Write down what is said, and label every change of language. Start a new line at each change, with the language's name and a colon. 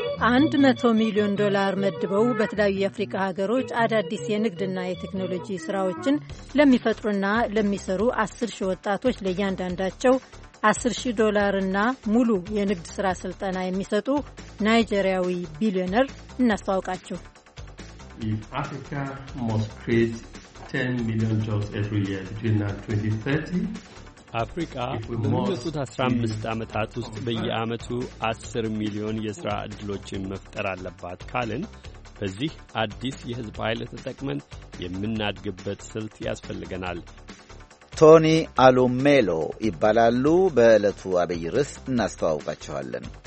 Amharic: $100 million መድበው በተለያዩ የአፍሪካ ሀገሮች አዳዲስ የንግድና የቴክኖሎጂ ስራዎችን ለሚፈጥሩና ለሚሰሩ 10,000 ወጣቶች ለእያንዳንዳቸው $10,000 ሙሉ የንግድ ስራ ስልጠና የሚሰጡ ናይጄሪያዊ ቢሊዮነር እናስተዋውቃችሁ።
English: Africa must create 10 million jobs every year between now and 2030.
Amharic: አፍሪካ በሚመጡት 15 ዓመታት ውስጥ በየዓመቱ 10 ሚሊዮን የሥራ ዕድሎችን መፍጠር አለባት ካልን በዚህ አዲስ የሕዝብ ኃይል ተጠቅመን የምናድግበት ስልት ያስፈልገናል። ቶኒ አሉሜሎ ይባላሉ። በዕለቱ አብይ ርዕስ እናስተዋውቃቸዋለን።